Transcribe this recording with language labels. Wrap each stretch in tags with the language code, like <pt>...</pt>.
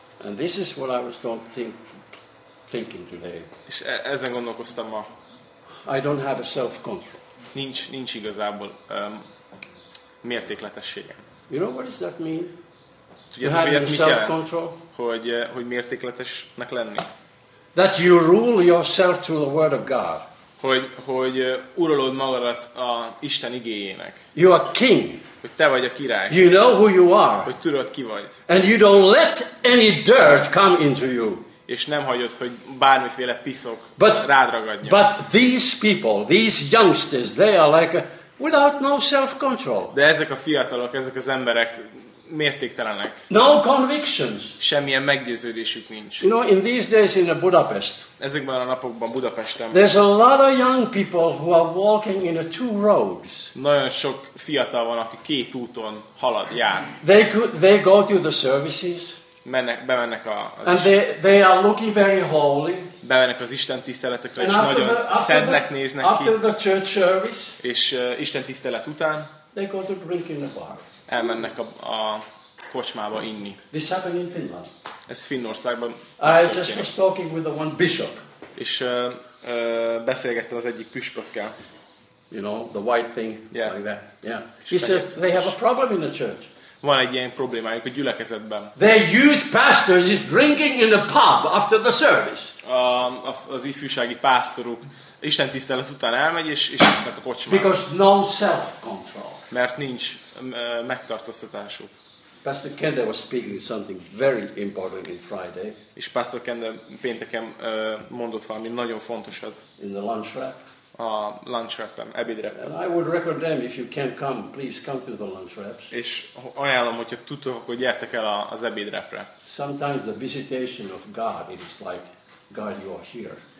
<en>And this is what I was thinking today.</en> <hu>És ezen gondolkoztam ma.</hu> <en>I don't have a self-control.</en> <hu>Nincs igazából mértékletességem.</hu> <en>You know what does that mean?</en> <hu>Hogy mértékletesnek lenni.</hu> <en>That you rule yourself through the word of God.</en> <hu>Hogy uralod magadat a Isten igéjének.</hu> <en>You are king.</en> <hu>Hogy te vagy a király.</hu> <en>You know who you are.</en> <hu>Hogy tudod, ki vagy.</hu> <en>And you don't let any dirt come into you.</en> <hu>És nem hagyod, hogy bármiféle piszok rád ragadjon.</hu> <en>But these people, these youngsters, they are like without no self-control.</en> <hu>De ezek a fiatalok, ezek az emberek mértéktelenek.</hu> <en>No convictions.</en> <hu>Semmilyen meggyőződésük nincs.</hu> <en>You know, in these days in Budapest.</en> <hu>Ezekben a napokban Budapesten.</hu> <en>There's a lot of young people who are walking in the two roads.</en> <hu>Nagyon sok fiatal van, aki két úton halad, jár.</hu> <en>They go to the services.</en> <hu>Bemennek a.</hu> <en>And they are looking very holy.</en> <hu>Bemennek az Isten tiszteletekre, és nagyon szentnek néznek ki.</hu> <en>After the church service.</en> <hu>És Isten tisztelet után.</hu> <en>They go to drink in the bar.</en> <hu>Elmennek a kocsmába inni.</hu> <en>This happened in Finland.</en> <hu>Ez Finnországban.</hu> <en>I just was talking with the one bishop.</en> <hu>És beszélgettem az egyik püspökkel.</hu> <en>You know, the white thing, yeah. Like that. Yeah. He said they have a problem in the church.</en> <hu>Van egy ilyen problémájuk a gyülekezetben.</hu> <en>Their youth pastor is drinking in the pub after the service.</en> <hu>Az ifjúsági pásztoruk Isten tisztelet után elmegy, és isznak a kocsmába.</hu> <en>Because no self-control.</en> <hu>Mert nincs megtartóztatásuk.</hu> <en>Pastor Kendall was speaking something very important in Friday.</en> <hu>És Pastor Kendall pénteken mondott valami nagyon fontosat.</hu> <en>In the lunch wrap.</en> <hu>A lunch wrap-ben, ebédrepben.</hu> <en>I would recommend if you can come, please come to the lunch wraps.</en> <hu>És ajánlom, hogyha tudtok, akkor gyertek el az ebédrepre.</hu> <en>Sometimes the visitation of God, it is like, God, you are here.</en>